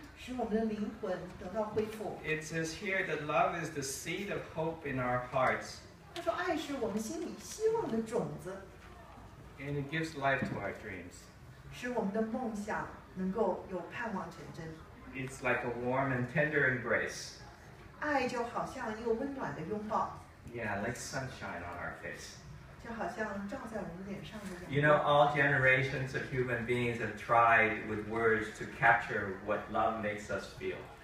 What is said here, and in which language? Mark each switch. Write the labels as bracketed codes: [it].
[zh] 使我们的灵魂得到恢复。 [en] It says here that love is the seed of hope in our hearts. [zh] 他说爱是我们心里希望的种子。 [en] And it gives life to our dreams. [zh] 使我们的梦想能够有盼望成真。 [en] It's like a warm and tender embrace. [zh] 爱就好像一个温暖的拥抱。 [en] Yeah, like sunshine on our face. [zh] 就好像照在我们脸上的阳光。 [en] You know, all generations of human beings have tried with words to capture what love makes us feel.